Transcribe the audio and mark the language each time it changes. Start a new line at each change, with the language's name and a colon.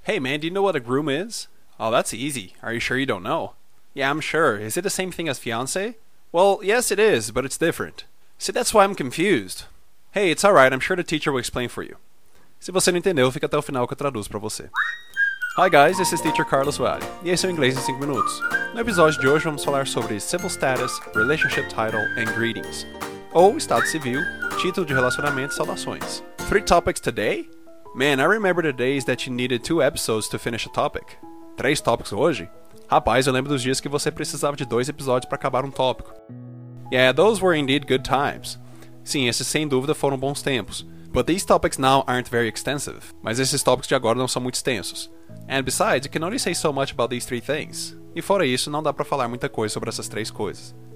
English: Hey, man, do you know what a groom is? Oh, that's easy. Are you sure you don't know? Yeah, I'm sure. Is it the same thing as fiancé? Well, yes, it is, but it's different. See, that's why I'm confused. Hey, it's alright. I'm sure the teacher will explain for you.
Portuguese: Se você não entendeu, fica até o final que eu traduzo pra você.
English: Hi, guys. This is teacher Carlos Valle.
Portuguese: E esse é o Inglês em 5 Minutos. No episódio de hoje, vamos falar sobre
English: civil status, relationship title, and greetings.
Portuguese: Ou estado civil, título de relacionamento e saudações.
English: Three topics today? Man, I remember the days that you needed two episodes to finish a topic.
Portuguese: Três tópicos hoje? Rapaz, eu lembro dos dias que você precisava de dois episódios para acabar um tópico.
English: Yeah, those were indeed good times.
Portuguese: Sim, esses sem dúvida foram bons tempos.
English: But these topics now aren't very extensive.
Portuguese: Mas esses tópicos de agora não são muito extensos.
English: And besides, you can only say so much about these three things.
Portuguese: E fora isso, não dá para falar muita coisa sobre essas três coisas.